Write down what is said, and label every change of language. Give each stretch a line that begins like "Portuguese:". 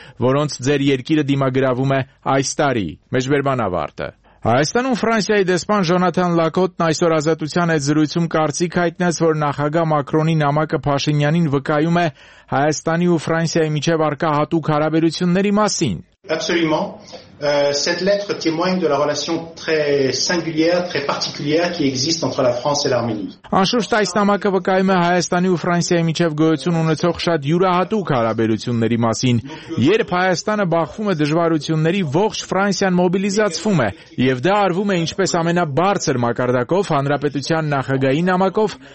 Armenian: որոնց ձեր երկիրը դիմագրավում է այս տարի։ Մեջբերման ավարտը։ Հայաստանում Ֆրանսիայի դեսպան Ժոնաթան Լակոտն այսօր ազատության այդ զրույցում կարծիք հայտնեց, որ նախագահ Մակրոնի նամակը Փաշինյանին վկայում է Հայաստանի ու Ֆրանսիայի միջև առկա հատուկ հարաբերությունների մասին։
French: Absolument. Cette lettre témoigne de la relation très singulière, très particulière qui existe entre la France et l'Arménie.
Armenian: Անշուշտ այս նամակը վկայում է Հայաստանի ու Ֆրանսիայի միջև գոյություն ունեցող շատ յուրահատուկ հարաբերությունների մասին, երբ Հայաստանը բախվում է դժվարությունների, ողջ Ֆրանսիան մոբիլիզացվում է, եւ դա արվում է ինչպես ամենաբարձր մակարդակով հանրապետության նախագահի նամակով,